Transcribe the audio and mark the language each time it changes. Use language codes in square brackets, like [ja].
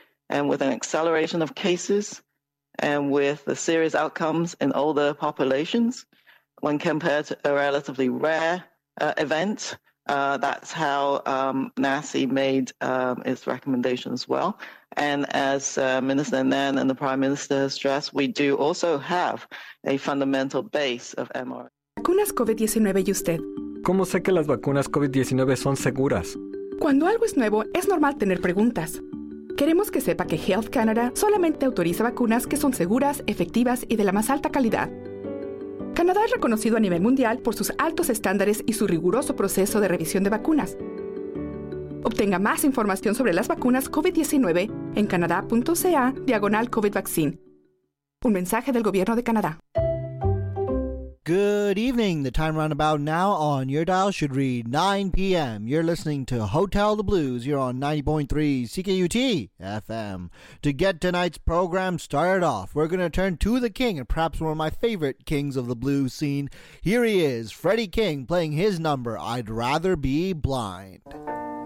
[en] and with an acceleration of cases and with the serious outcomes in older populations, when compared to a relatively rare event, that's how NACI made its recommendation as well. And as Minister Nan and the Prime Minister have stressed, we do also have a fundamental base of mRNA. [es] ¿Vacunas COVID-19 y usted? ¿Cómo sé que las vacunas COVID-19 son seguras? Cuando algo es nuevo, es normal tener preguntas. Queremos que sepa que Health Canada solamente autoriza vacunas que son seguras, efectivas y de la más alta calidad. Canadá es reconocido a nivel mundial por sus altos estándares y su riguroso proceso de revisión de vacunas. Obtenga más información sobre las vacunas COVID-19 en canada.ca/COVID-vaccine. Un mensaje del Gobierno de Canadá. [en] Good evening. The time roundabout now on your dial should read 9 p.m. You're listening to Hotel the Blues. You're on 90.3 CKUT FM. To get tonight's program started off, we're going to turn to the king and perhaps one of my favorite kings of the blues scene. Here he is, Freddie King, playing his number, I'd Rather Be Blind.